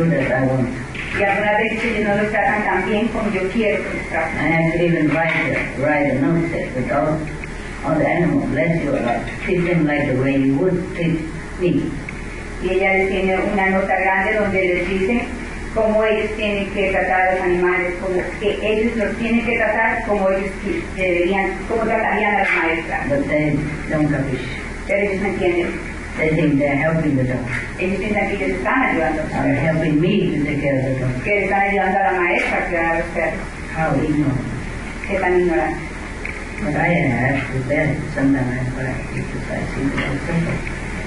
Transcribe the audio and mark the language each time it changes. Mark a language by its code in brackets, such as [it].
[en] I don't treat them as good as I want. And I could even write a note that the dog or the animal, bless you a lot, treat them like the way you would treat me. [es] Y ella tiene una nota grande donde les dice cómo ellos tienen que tratar a los animales, como que ellos los tienen que tratar como ellos deberían, como tratarían a la maestra. [en] But they don't have it. [es] Pero ellos no entienden. [en] They think they're helping the dog. [es] Ellos piensan que ellos están ayudando. [en] Are helping me to take care of the dog. [es] Que están ayudando a la maestra a cuidar a los perros. [en] How ignorant. [es] Que tan ignorante. [en] But I have to bear it. Sometimes I cry because I see it so bad.